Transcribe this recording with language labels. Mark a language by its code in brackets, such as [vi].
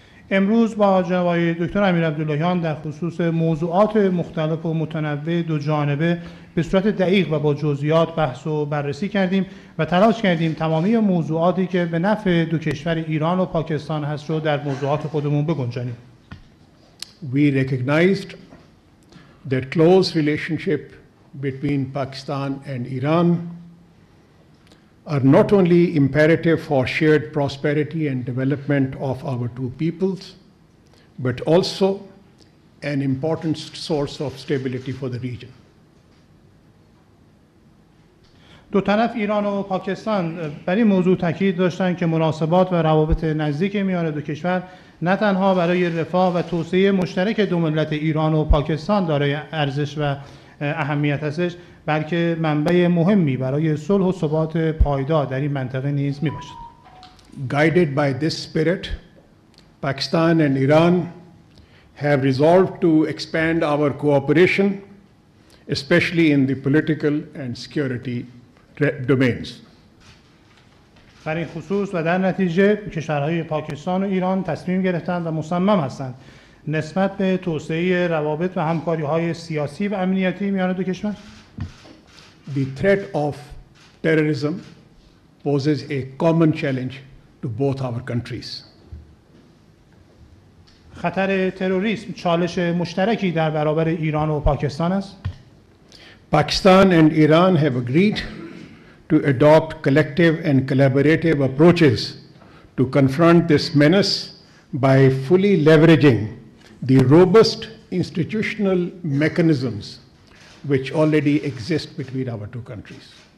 [fa] امروز با جناب آقای دکتر امیر عبداللهیان در خصوص موضوعات مختلف و متنوع دو جانبه به صورت دقیق و با جزئیات بحث و بررسی کردیم و تلاش کردیم تمامی موضوعاتی که به نفع دو کشور ایران و پاکستان هست رو در موضوعات خودمون بگنجانیم. [en] We recognized that close relationship between Pakistan and Iran are not only imperative for shared prosperity and development of our two peoples, but also an important source of stability for the region. [fa] دو طرف ایران و پاکستان برای موضوع تاکید داشتن که مناسبات و روابط نزدیک میان دو کشور نه تنها برای رفاه و توسعه مشترک دو ملت ایران و پاکستان دارای ارزش و اهمیت هستش بلکه منبع مهمی برای صلح و ثبات پایدار در این منطقه نیز میباشد. [en] Guided by this spirit, Pakistan and Iran have resolved to expand our cooperation, especially in the political and security domains. [fa] برای خصوص و در نتیجه کشورهای پاکستان و ایران تصمیم گرفتند و مصمم هستند نسبت به توسعه روابط و همکاری‌های سیاسی و امنیتی میان دو کشور. [en] The threat of terrorism poses a common challenge to both our countries. [fa] خطر تروریسم چالش مشترکی در برابر ایران و پاکستان است. [en] Pakistan and Iran have agreed to adopt collective and collaborative approaches to confront this menace by fully leveraging the robust institutional mechanisms which already exist between our two countries.